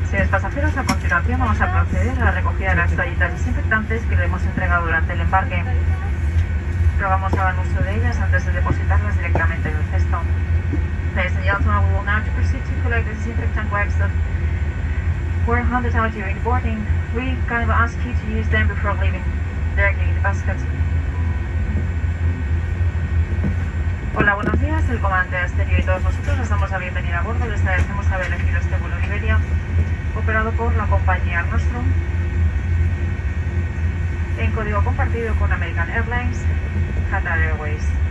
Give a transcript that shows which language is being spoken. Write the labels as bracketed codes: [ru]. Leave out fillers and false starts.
[es] Pasajeros, a continuación vamos a proceder a la recogida de las toallitas desinfectantes que le hemos entregado durante el embarque. Probamos el uso de ellas antes de depositarlas directamente en el cesto. [en] Ladies and gentlemen, we will now proceed to collect the disinfectant wipes that were handed out during boarding. We kind of ask you to use them before leaving directly in the basket. [es] Hola, buenos días. El comandante Asterio y todos nosotros les damos la bienvenida a bordo. Les agradecemos haber elegido este vuelo Iberia, operado por la compañía Nostrum, en código compartido con American Airlines, Qatar Airways.